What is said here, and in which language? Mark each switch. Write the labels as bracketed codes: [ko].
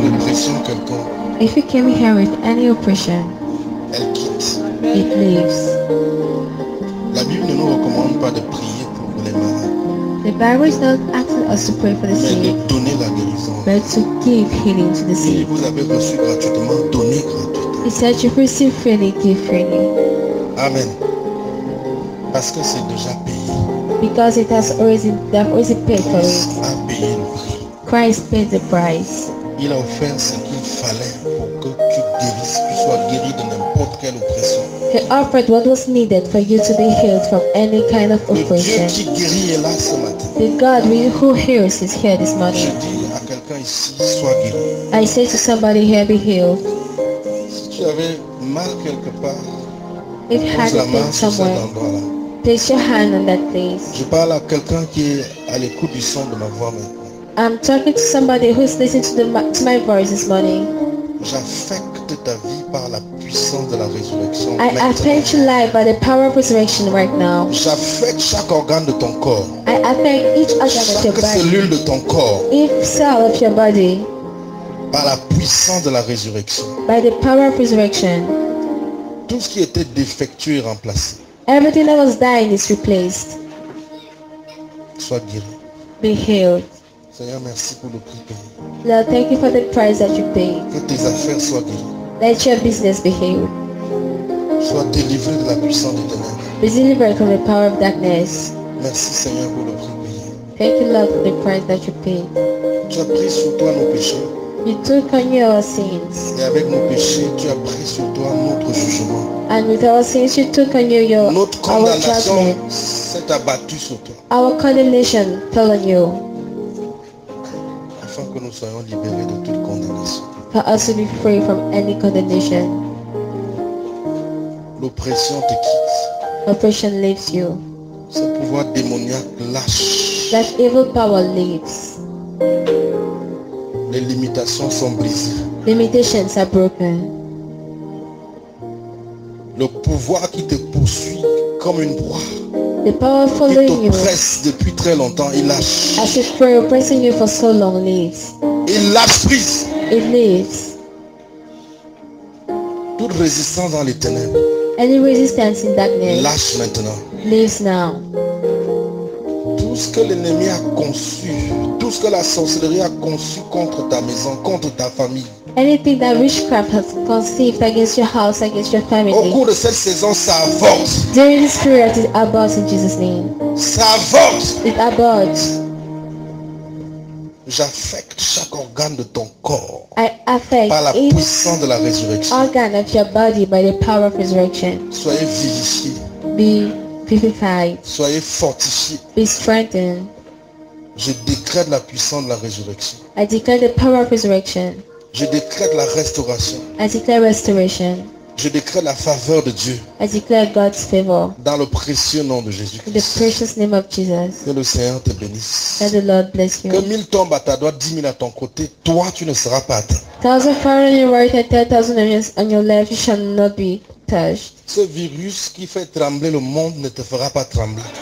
[en] If you came here with any oppression, [fr] elle quitte. [en] It leaves. [fr] La Bible ne nous recommande pas de prier pour les malades. [en] The Bible is not asking us to pray for the sick. [fr] Mais de donner la guérison. [en] But to give healing to the sick. [fr] Si vous avez reçu gratuitement, donnez gratuitement. [en] It says you receive freely, give freely. Amen. [fr] Parce que c'est déjà payé. [en] Because it has already, they've already paid for it. [fr] Christ a payé le prix. [en] Christ paid the price. [fr] Il a offert ce qu'il fallait pour que tu guérisses, tu sois guéri de n'importe quelle oppression. [en] He offered what was needed for you to be healed from any kind of oppression. [fr] Le Dieu qui guérit est là ce matin. [en] The God who heals is here this morning. [fr] Je dis à quelqu'un ici, sois guéri. [en] I say to somebody here, be healed. [fr] Si tu avais mal quelque part, [en] it had [fr] la main [en] somewhere. [fr] Sur cet endroit-là. [en] Place your hand on that place. [fr] Je parle à quelqu'un qui est à l'écoute du son de ma voix maintenant. [en] I'm talking to somebody who's listening to, to my voice this morning. [fr] J'affecte ta vie par la puissance de la résurrection. [en] I affect your life by the power of resurrection right now. [fr] J'affecte chaque organe de ton corps. [en] I affect each organ [fr] chaque [en] of your body. [fr] Cellule de ton corps. [en] Each cell of your body. [fr] Par la puissance de la résurrection. [en] By the power of resurrection. [fr] Tout ce qui était défectueux est remplacé. [en] Everything that was dying is replaced. [fr] Sois guéri. [en] Be healed. [fr] Seigneur, merci pour le prix payé. [en] Lord, thank you for the price that you paid. [fr] Que tes affaires soient guéries. [en] Let your business be healed. [fr] Sois délivré de la puissance des ténèbres. [en] Be delivered from the power of darkness. [fr] Merci Seigneur pour le prix payé. [en] Thank you Lord for the price that you paid. [fr] Tu as pris sur toi nos péchés. [en] You took on your sins. [fr] Et avec nos péchés, tu as pris sur toi notre jugement. [en] And with our sins, you took on you your [fr] notre condamnation. s'est abattu sur toi. [en] Our condemnation fell on you. [fr] Afin que nous soyons libérés de toute condamnation. [en] For us to be free from any condemnation. [fr] L'oppression te quitte. [en] Oppression leaves you. [fr] Ce pouvoir démoniaque lâche. [en] That evil power leaves. [fr] Les limitations sont brisées. [en] Limitations are broken. [fr] Le pouvoir qui te poursuit comme une proie. [en] The power following you. [fr] Qui t'oppresse depuis très longtemps, il lâche. [en] As if prayer oppressing you for so long leaves. [fr] Il lâche prise. [en] It leaves. [fr] Toute résistance dans les ténèbres. [en] Any resistance in darkness. [fr] Lâche maintenant. [en] Leaves now. [fr] Tout ce que l'ennemi a conçu, tout ce que la sorcellerie a conçu contre ta maison, contre ta famille. [en] Anything that witchcraft has conceived against your house, against your family. [fr] Au cours de cette saison, ça avance. [en] During this period, it abhors in Jesus' name. [fr] Ça avance. [en] It abhors. [fr] J'affecte chaque organe de ton corps. [en] I affect [fr] par la puissance de la résurrection. [en] Organ of your body by the power of resurrection. [fr] Soyez vivifié. [en] Be vivified. [fr] Soyez fortifié. [en] Be strengthened. [fr] Je décrète la puissance de la résurrection. [en] I declare the power of resurrection. [fr] Je décrète la restauration. [en] I declare restoration. [fr] Je décrète la faveur de Dieu. [en] I declare God's favor. [fr] Dans le précieux nom de Jésus-Christ. [en] The precious name of Jesus. [fr] Que le Seigneur te bénisse. [en] May the Lord bless you. [fr] Que 1000 tombent à ta droite, 10 000 à ton côté, toi tu ne seras pas atteint. [en] 1000 fall on your right and 10,000 on your left, you shall not be touched. [fr] Ce virus qui fait trembler le monde ne te fera pas trembler.